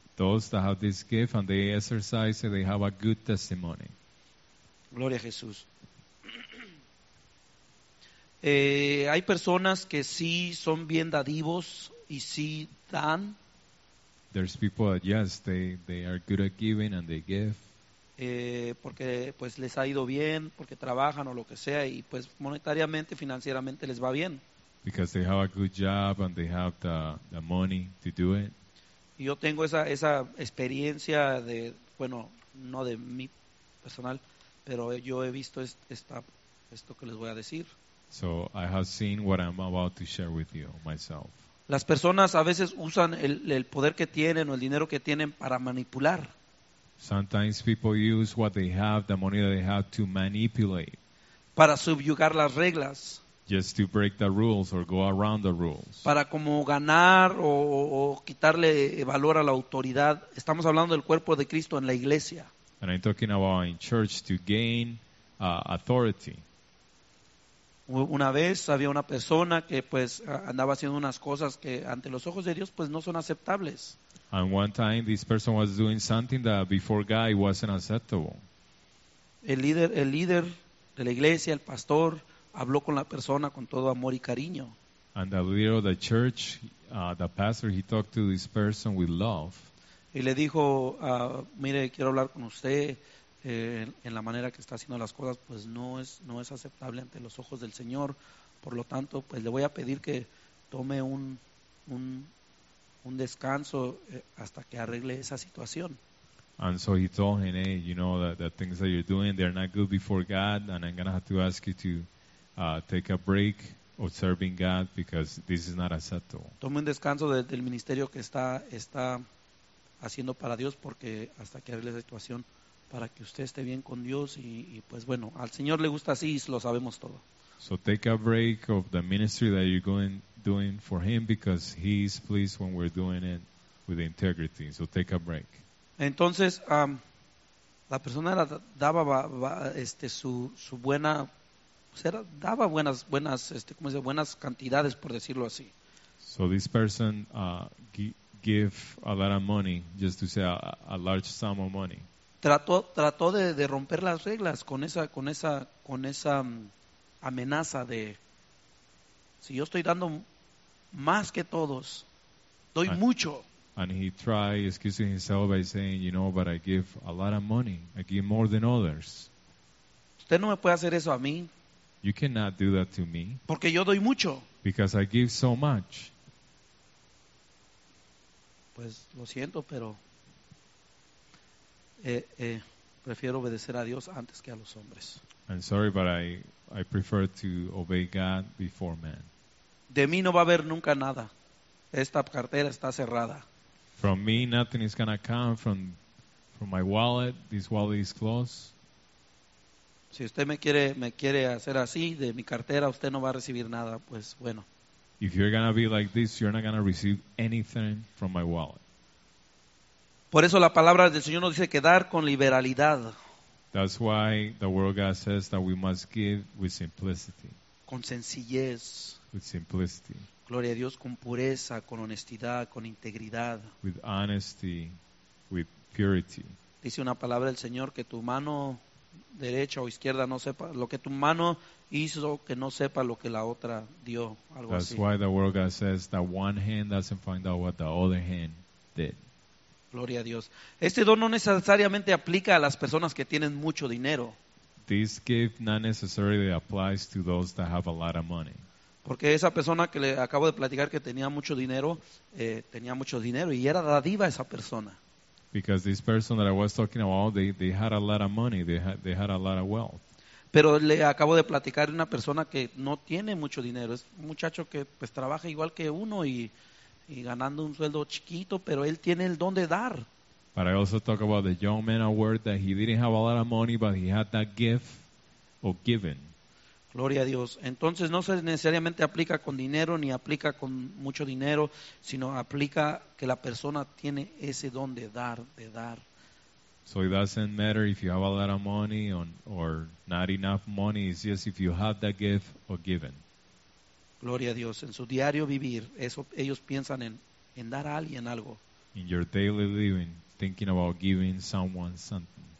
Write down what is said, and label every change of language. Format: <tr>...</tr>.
<en>Those that have this gift and they exercise it, they have a good testimony.</en> <es>Gloria a Jesús. Hay personas que sí son bien dadivos y sí dan.</es> <en>There's people that yes, they are good at giving and they give.</en> <es>Porque pues les ha ido bien, porque trabajan o lo que sea y pues monetariamente, financieramente les va bien.</es> <en>Because they have a good job and they have the money to do it.</en> <es>Y yo tengo esa experiencia de, bueno, no de mi personal, pero yo he visto esto que les voy a decir.</es> <en>So I have seen what I'm about to share with you myself.</en> <es>Las personas a veces usan el poder que tienen o el dinero que tienen para manipular.</es> <en>Sometimes people use what they have, the money that they have, to manipulate.</en> <es>Para subyugar las reglas.</es> <en>Just to break the rules or go around the rules.</en> <es>Para como ganar o quitarle valor a la autoridad. Estamos hablando del cuerpo de Cristo en la iglesia.</es> <en>And I'm talking about in church to gain authority.</en> <es>Una vez había una persona que pues andaba haciendo unas cosas que ante los ojos de Dios pues no son aceptables.</es> <en>And one time this person was doing something that before God it wasn't acceptable.</en> <es>El líder de la iglesia, el pastor, habló con la persona con todo amor y cariño.</es> <en>And the leader of the church, the pastor, he talked to this person with love.</en> <es>Y le dijo, mire, quiero hablar con usted. En la manera que está haciendo las cosas pues no es aceptable ante los ojos del Señor, por lo tanto pues le voy a pedir que tome un descanso hasta que arregle esa situación.</es> <en>And so he told him, hey, you know that the things that you're doing, they're not good before God, and I'm gonna have to ask you to take a break of serving God because this is not acceptable.</en> <es>Tome un descanso del ministerio que está haciendo para Dios, porque hasta que arregle esa situación, para que usted esté bien con Dios y pues bueno, al Señor le gusta así y lo sabemos todo.</es> <en>So take a break of the ministry that you're doing for him because he's pleased when we're doing it with integrity. So take a break.</en> <es>Entonces, la persona daba su buena, o sea, daba buenas ¿cómo se dice? Buenas cantidades, por decirlo así.</es> <en>So this person give a lot of money, just to say a large sum of money.</en> <es>Trató de romper las reglas con esa amenaza de, si yo estoy dando más que todos, doy mucho.</es> <en>And he tried excusing himself by saying, you know, but I give a lot of money. I give more than others.</en> <es>Usted no me puede hacer eso a mí.</es> <en>You cannot do that to me.</en> <es>Porque yo doy mucho.</es> <en>Because I give so much.</en> <es>Pues lo siento, pero prefiero obedecer a Dios antes que a los hombres.</es> <en>I'm sorry, but I prefer to obey God before man.</en> <es>De mí no va a haber nunca nada. Esta cartera está cerrada.</es> <en>From me nothing is gonna come. From my wallet, this wallet is closed.</en> <es>Si usted me quiere hacer así de mi cartera, usted no va a recibir nada, pues bueno.</es> <en>If you're going to be like this, you're not going to receive anything from my wallet.</en> <es>Por eso la palabra del Señor nos dice que dar con liberalidad.</es> <en>That's why the word of God says that we must give with simplicity.</en> <es>Con sencillez.</es> <en>With simplicity.</en> <es>Gloria a Dios, con pureza, con honestidad, con integridad.</es> <en>With honesty, with purity.</en> <es>Dice una palabra del Señor que tu mano derecha o izquierda no sepa lo que tu mano hizo, que no sepa lo que la otra dio, algo así.</es> <en>That's why the word of God says that one hand doesn't find out what the other hand did.</en> <es>Gloria a Dios. Este don no necesariamente aplica a las personas que tienen mucho dinero.</es> <en>This gift not necessarily applies to those that have a lot of money.</en> <es>Porque esa persona que le acabo de platicar que tenía mucho dinero y era dadiva esa persona.</es> <en>Because this person that I was talking about, they had a lot of money, they had a lot of wealth.</en> <es>Pero le acabo de platicar de una persona que no tiene mucho dinero. Es un muchacho que pues trabaja igual que uno y ganando un sueldo chiquito, pero él tiene el don de dar.</es> <en>But I also talk about the young man at work that he didn't have a lot of money, but he had that gift of giving.</en> <es>Gloria a Dios. Entonces no se necesariamente aplica con dinero ni aplica con mucho dinero, sino aplica que la persona tiene ese don de dar.</es> <en>So it doesn't matter if you have a lot of money or not enough money, it's just if you have that gift of giving.</en> <es>Gloria a Dios. En su diario vivir, eso ellos piensan en dar a alguien algo.</es> <en>In your daily living, thinking about giving someone something.</en>